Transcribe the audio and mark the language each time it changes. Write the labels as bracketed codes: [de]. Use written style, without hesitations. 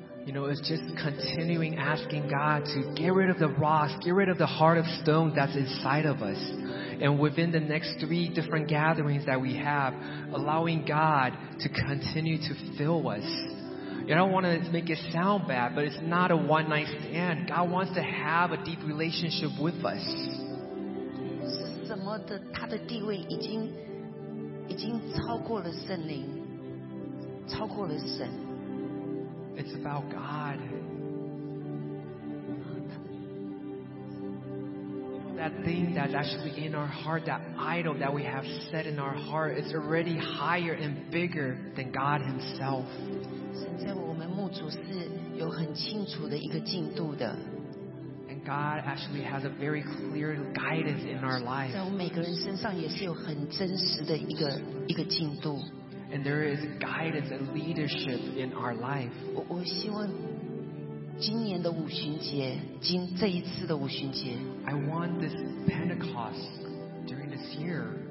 [en] You know, it's just continuing asking God to get rid of the rocks, get rid of the heart of stone that's inside of us. And within the next three different gatherings that we have, allowing God to continue to fill us. You don't want to make it sound bad, but it's not a one-night stand. God wants to have a deep relationship with us. [zh] 什么的，他的地位已经超过了圣灵，超过了神。 [en] It's about God. That thing that's actually in our heart, that idol that we have set in our heart, is already higher and bigger than God Himself. [zh] 神在我们牧主是有很清楚的一个进度的。 [en] And God actually has a very clear guidance in our life. [zh] 在我每个人身上也是有很真实的一个进度。 [en] And there is guidance and leadership in our life. [zh] 我希望今年的五旬节，今这一次的五旬节。 [en] I want this Pentecost during this year.